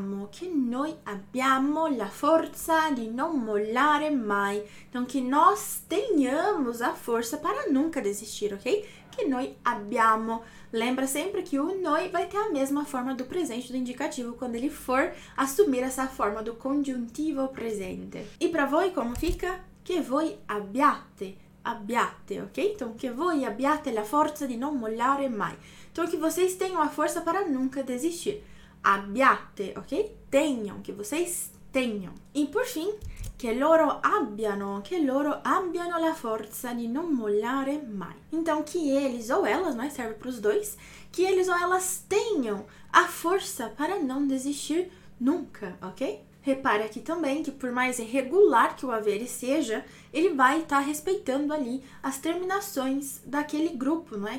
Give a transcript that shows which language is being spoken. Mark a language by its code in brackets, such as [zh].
[it] Che noi abbiamo la forza di non mollare mai. [pt] Então, que nós tenhamos a força para nunca desistir, ok? [it] Che noi abbiamo. [pt] Lembra sempre que o noi vai ter a mesma forma do presente do indicativo quando ele for assumir essa forma do congiuntivo presente. E para voi, como fica? [it] Che voi abbiate. Abbiate, [pt] ok? Então, que [it] voi abbiate la forza di non mollare mai. [pt] Então, que vocês tenham a força para nunca desistir. [it] Abbiate, [pt] ok? Tenham, que vocês tenham. E por fim, que [it] loro abbiano la forza di non mollare mai. [pt] Então, que eles ou elas, não é? Serve para os dois. Que eles ou elas tenham a força para não desistir nunca, ok? Repare aqui também que por mais irregular que o avere seja, ele vai estar respeitando ali as terminações daquele grupo, não é?